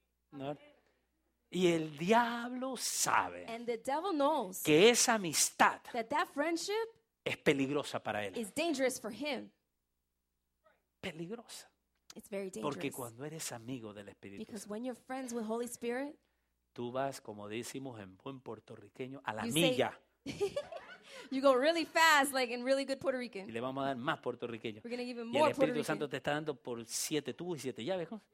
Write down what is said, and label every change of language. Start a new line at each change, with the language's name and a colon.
Spanish: ¿no? Y el diablo sabe
English: and the devil knows
Spanish: que esa amistad
English: that friendship
Spanish: es peligrosa para él.
English: Is dangerous for him.
Spanish: Peligrosa.
English: It's very dangerous.
Spanish: Porque cuando eres amigo del Espíritu
English: Santo, because when you're friends with Holy Spirit,
Spanish: tú vas, como decimos en buen puertorriqueño, a la milla.
English: You go really fast, like in really good Puerto Rican.
Spanish: Y le vamos a dar más puertorriqueño.
English: We're gonna give him
Spanish: y
English: more Puerto
Spanish: Rican. Y el Espíritu Santo te está dando por siete tubos y siete llaves, ¿cómo?